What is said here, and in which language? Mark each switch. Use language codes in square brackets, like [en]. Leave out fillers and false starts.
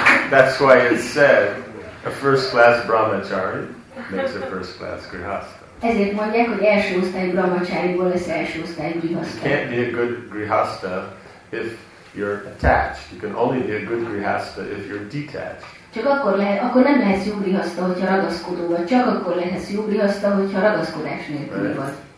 [en] That's why it's said a first-class brahmachari makes a first-class grihastha. [hu] Ezért mondják, hogy első osztályú brahmacháriból lesz első osztályú grihasta. [en] You can't be a good grihasta if you're attached. You can only be a good grihasta if you're detached. [hu] Csak akkor lehet, akkor nem lehet jó grihasta, hogyha ragaszkodó vagy. Csak akkor lehet jó grihasta, hogyha ragaszkodás nélkül vagy.